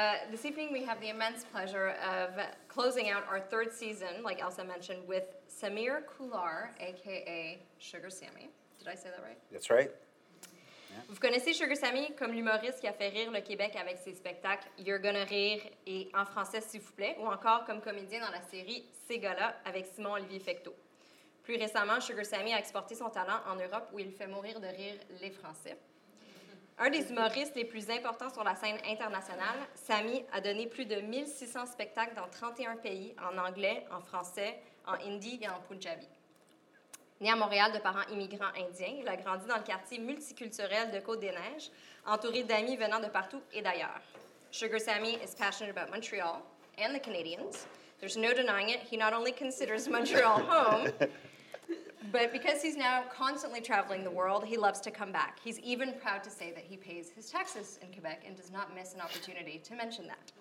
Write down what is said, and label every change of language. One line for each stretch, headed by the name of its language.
English: This evening, we have the immense pleasure of closing out our third season, like Elsa mentioned, with Samir Kular, a.k.a. Sugar Sammy. Did I say that right? That's right.
French: Vous connaissez Sugar Sammy comme l'humoriste qui a fait rire le Québec avec ses spectacles « You're gonna rire » et « En français, s'il vous plaît » ou encore comme comédien dans la série « Ces gars-là » avec Simon-Olivier Fecteau. Plus récemment, Sugar Sammy a exporté son talent en Europe où il fait mourir de rire les Français. Un des humoristes les plus importants sur la scène internationale, Sammy a donné plus de 1600 spectacles dans 31 pays en anglais, en français, en hindi et en punjabi. Né à Montréal de parents immigrants indiens, il a grandi dans le quartier multiculturel de Côte-des-Neiges, entouré d'amis venant de partout et d'ailleurs.
English: Sugar Sammy is passionate about Montreal and the Canadians. There's no denying it, he not only considers Montreal home, but because he's now constantly traveling the world, he loves to come back. He's even proud to say that he pays his taxes in Quebec and does not miss an opportunity to mention that.